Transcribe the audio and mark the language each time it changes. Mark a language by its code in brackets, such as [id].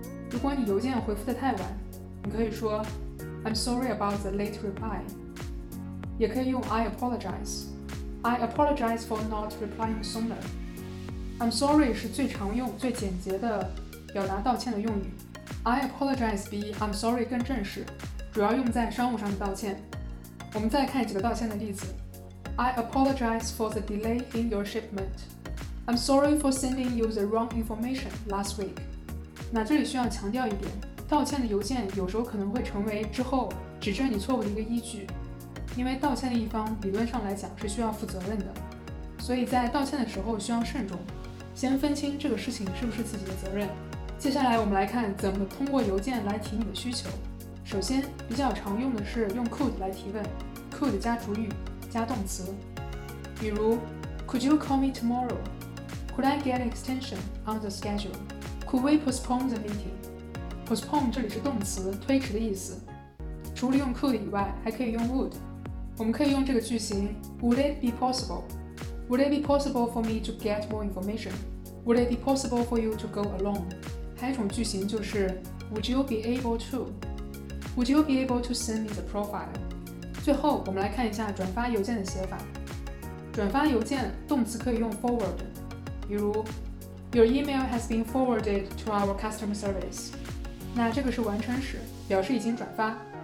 [zh] 如果你邮件回复得太晚，你可以说 [en] I'm sorry about the late reply， [zh] 也可以用 I apologize。 [en] I apologize for not replying sooner。 [zh] I'm sorry 是最常用、最简洁的表达道歉的用语， I apologize 比 I'm sorry 更正式，主要用在商务上的道歉。我们再看几个道歉的例子。 [en] I apologize for the delay in your shipment。 I'm sorry for sending you the wrong information last week。 [zh] 那这里需要强调一点，道歉的邮件有时候可能会成为之后指正你错误的一个依据，因为道歉的一方理论上来讲是需要负责任的，所以在道歉的时候需要慎重，先分清这个事情是不是自己的责任。接下来我们来看怎么通过邮件来提你的需求。首先比较常用的是用 could 来提问， could 加主语加动词，比如 [en] Could you call me tomorrow? Could I get an extension on the schedule? Could we postpone the meeting? Postpone [zh] 这里是动词，推迟的意思。除了用 could 以外，还可以用 would。我们可以用这个句型 [en] Would it be possible? Would it be possible for me to get more information? Would it be possible for you to go alone? [zh] 还有一种句型就是 [en] Would you be able to? Would you be able to send me the profile? [zh] 最后我们来看一下转发邮件的写法。转发邮件动词可以用 forward， 比如 [en] Your email has been forwarded to our customer service。 [zh] 那这个是完成时，表示已经转发。